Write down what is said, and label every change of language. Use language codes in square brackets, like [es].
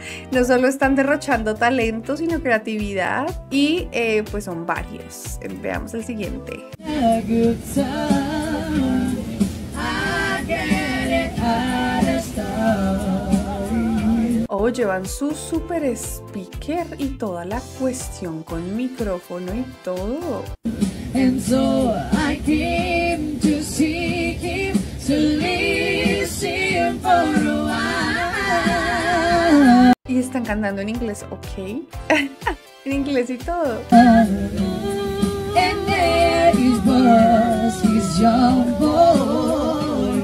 [es] No solo están derrochando talento, sino creatividad, y pues son varios. Veamos el siguiente. Oh, llevan su super speaker y toda la cuestión con micrófono y todo. [en] And so I came to seek him, to listen for a while. [es] Y están cantando en inglés, ok. En inglés y todo. [en] And there is was his young boy.